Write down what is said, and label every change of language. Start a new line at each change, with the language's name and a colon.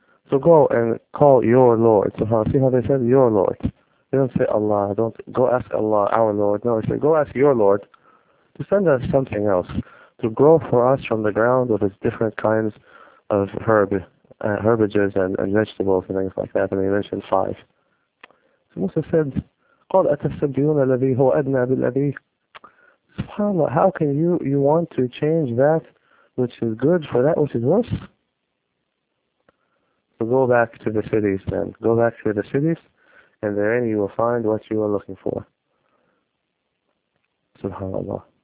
English: So go and call your Lord. So see how they said, your Lord. They don't say Allah, don't go ask Allah, our Lord. No, they said, go ask your Lord to send us something else, to grow for us from the ground with its different kinds of herbages and vegetables and things like that. And he mentioned five. So Musa said,
Arabic: قَالْ أَتَسْتَبْدِلُونَ الَّذِي هُوَ أَدْنَى بِالَّذِي
English: SubhanAllah, how can you want to change that which is good for that which is worse? So go back to the cities then. Go back to the cities, and therein you will find what you are looking for. SubhanAllah.